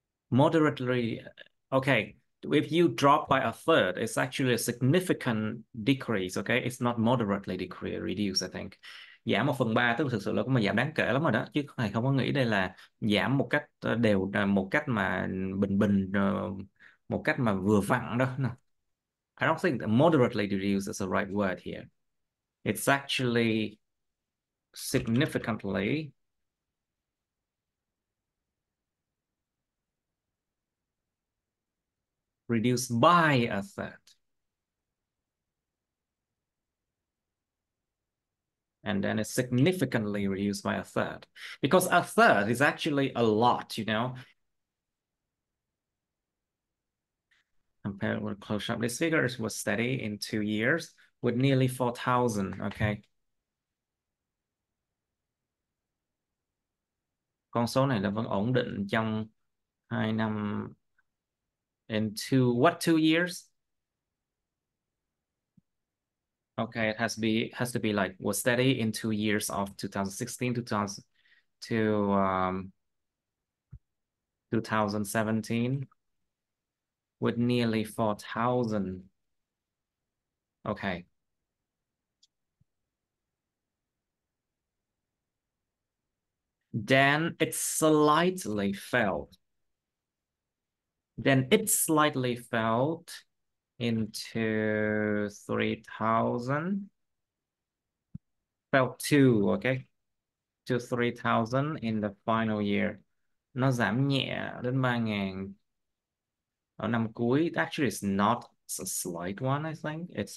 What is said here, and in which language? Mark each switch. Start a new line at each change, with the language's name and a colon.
English: Moderately, okay, if you drop by a third, it's actually a significant decrease, okay? It's not moderately decrease, reduce, I think.
Vietnamese: Giảm một phần ba tức là thực sự là cũng mà giảm đáng kể lắm rồi đó, chứ thầy không có nghĩ đây là giảm một cách đều, một cách mà bình bình, một cách mà vừa vặn đó.
English: No. I don't think that moderately reduce is the right word here. It's actually significantly reduced by a third. And then it's significantly reduced by a third. Because a third is actually a lot, you know. Compared with close shop, this figure was steady in 2 years with nearly 4,000. Okay.
Vietnamese: Con số này là vẫn ổn định trong 2 năm.
English: In two, what 2 years? Okay, it has to be like was steady in 2 years of 2016 to 2017 with nearly 4,000. Okay. Then it slightly fell. Then it slightly fell into 3,000, fell to, okay, to 3,000 in the final year.
Vietnamese: Nó giảm nhẹ đến 3.000 ở năm cuối.
English: Actually, it's not a slight one, I think.